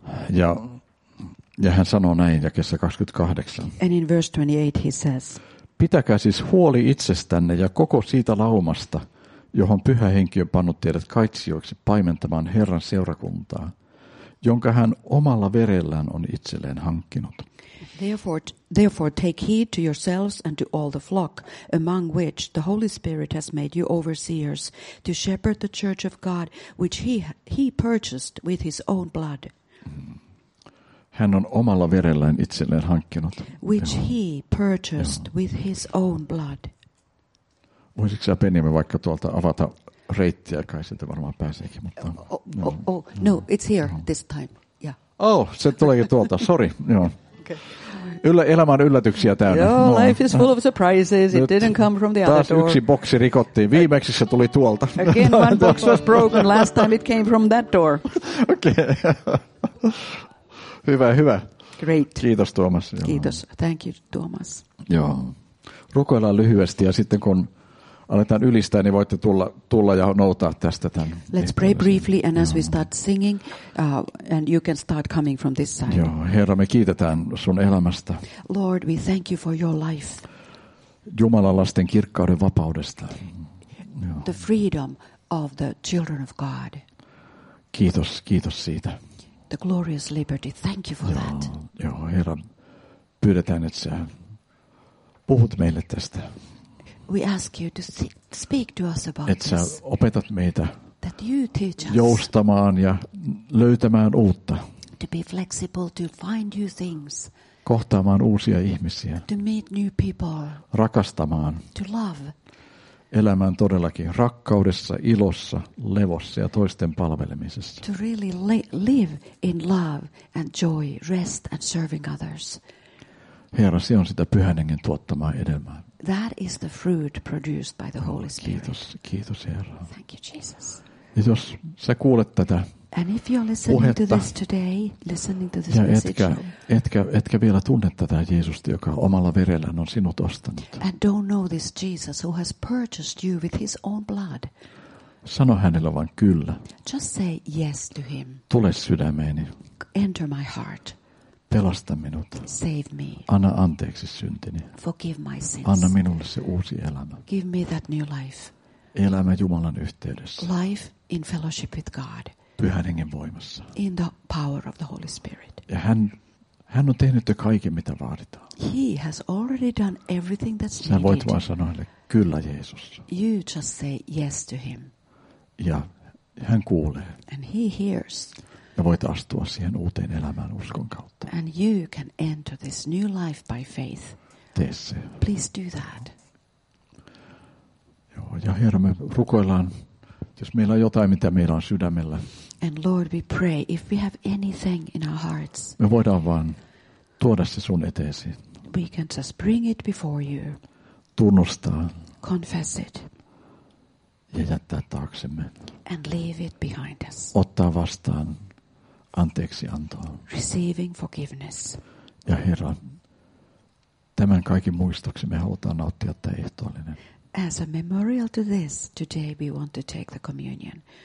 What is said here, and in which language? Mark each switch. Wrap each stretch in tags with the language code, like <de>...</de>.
<fi>Ja hän sanoo näin jakessa 28.</fi> <en>And in verse 28 he says,</en> <fi>pitäkää siis huoli itsestänne ja koko siitä laumasta, johon Pyhä Henki on pannut teidät kaitsijoiksi paimentamaan Herran seurakuntaa, jonka hän omalla verellään on itselleen hankkinut.</fi> <en>Therefore take heed to yourselves and to all the flock, among which the Holy Spirit has made you overseers, to shepherd the church of God, which he purchased with his own blood.</en> <fi>Hän on omalla verellään itselleen hankkinut.</fi> <en>Which he purchased with his own blood.</en> <fi>Voisitko sä Benjamin vaikka tuolta avata reittiä, kai sieltä varmaan pääseekin, mutta...</fi> <en>No, it's here this time, yeah.</en> <fi>Oh, se tuleekin tuolta, sorry, joo. Elämä on yllätyksiä täynnä.</fi> <en>Joo, life is full of surprises, it didn't come from the other door.</en> <fi>Taas yksi boksi rikottiin, viimeksi se tuli tuolta.</fi> <en>Again, one box was broken, last time it came from that door.</en> <fi>Okei. Hyvä.</fi> <en>Great.</en> <fi>Kiitos Tuomas.</fi> <en>Kiitos. Thank you Tuomas.</en> <fi>Joo. Rukoillaan lyhyesti ja sitten kun aletaan ylistää, niin voitte tulla ja noutaa tästä tämän.</fi> <en>Let's pray briefly and as we start singing and you can start coming from this side.</en> <fi>Joo, Herra, me kiitetään sun elämästä.</fi> <en>Lord, we thank you for your life.</en> <fi>Jumalan lasten kirkkauden vapaudesta.</fi> <en>The freedom of the children of God.</en> <fi>Kiitos siitä.</fi> <en>The glorious liberty. Thank you for that.</en> <fi>Joo, Herra, pyydetään, että sä puhut meille tästä.</fi> <en>We ask you to speak to us about</en> <fi>this. Että sä opetat meitä</fi> <en>that you teach us</en> <fi>joustamaan ja löytämään uutta.</fi> <en>To be flexible, to find new things.</en> <fi>Kohtaamaan uusia ihmisiä.</fi> <en>To meet new people.</en> <fi>Rakastamaan.</fi> <en>To love.</en> <fi>Elämään todellakin rakkaudessa, ilossa, levossa ja toisten palvelemisessa.</fi> <en>To really live in love and joy, rest and serving others.</en> <fi>Herra, se on sitä Pyhän Hengen tuottamaa hedelmää.</fi> <en>That is the fruit produced by the Holy Spirit.</en> <fi>Kiitos Herra.</fi> <en>Thank you Jesus.</en> <fi>Ja jos sä kuulet tätä.</fi> <en>And if you're listening</en> <fi>puhetta,</fi> <en>to this today, listening to this message.</en> <fi>Etkä vielä tunne tätä Jeesusta, joka omalla verellään on sinut ostanut.</fi> <en>And don't know this Jesus who has purchased you with his own blood.</en> <fi>Sano hänelle vain kyllä.</fi> <en>Just say yes to him.</en> <fi>Tule sydämeeni.</fi> <en>Enter my heart.</en> <fi>Pelasta minut.</fi> <en>Save me.</en> <fi>Anna anteeksi syntini.</fi> <en>Forgive my sins.</en> <fi>Anna minulle se uusi elämä.</fi> <en>Give me that new life.</en> <fi>Elämä Jumalan yhteydessä.</fi> <en>Life in fellowship with God.</en> <fi>Pyhän Hengen voimassa.</fi> <en>In the power of the Holy Spirit.</en> <fi>Ja hän on tehnyt jo kaiken, mitä vaaditaan.</fi> <en>He has already done everything that's needed.</en> <fi>Sä voit vaan sanoa hänelle, kyllä Jeesus.</fi> <en>You just say yes to him.</en> <fi>Ja hän kuulee.</fi> <en>And he hears.</en> <fi>Ja voit astua siihen uuteen elämään uskon kautta.</fi> <en>And you can enter this new life by faith.</en> <fi>Tee se.</fi> <en>Please do that.</en> <fi>Joo, ja Herra, me rukoillaan. Jos meillä on jotain, mitä meillä on sydämellä.</fi> <en>And Lord, we pray, if we have anything in our hearts.</en> <fi>Me voidaan vaan tuoda se sun eteesi.</fi> <en>We can just bring it before you.</en> <fi>Tunnustaa.</fi> <en>Confess it.</en> <fi>Ja jättää taaksemme.</fi> <en>And leave it behind us.</en> <fi>Ottaa vastaan anteeksiantoa.</fi> <en>Receiving forgiveness.</en> <fi>Ja Herra, tämän kaiken muistoksi me halutaan nauttia tämä ehtoollinen.</fi> <en>As a memorial to this, today we want to take the communion.</en>